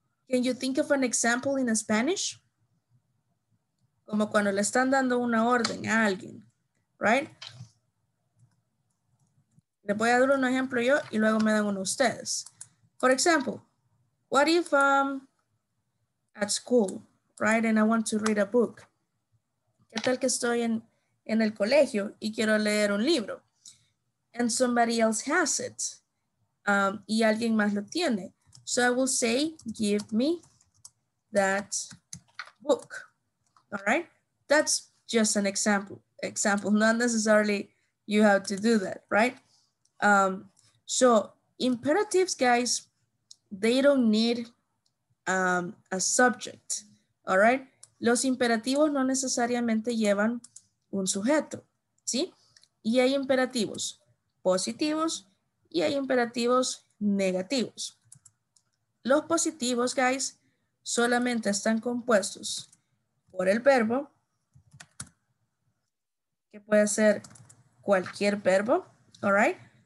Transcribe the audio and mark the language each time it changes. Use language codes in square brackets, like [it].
[en] Can you think of an example in Spanish? [es] Como cuando le están dando una orden a alguien, right? Le voy a dar un ejemplo yo y luego me dan uno ustedes. [en] For example, what if I'm at school, right? And I want to read a book. [es] ¿Qué tal que estoy en el colegio y quiero leer un libro? [en] And somebody else has it. [es] Y alguien más lo tiene. [en] So I will say, give me that book. All right? That's just an example. Not necessarily you have to do that, right? So imperatives, guys, they don't need a subject, all right? [es] Los imperativos no necesariamente llevan un sujeto, ¿sí? Y hay imperativos positivos y hay imperativos negativos. Los positivos, guys, solamente están compuestos por el verbo, que puede ser cualquier verbo, all right?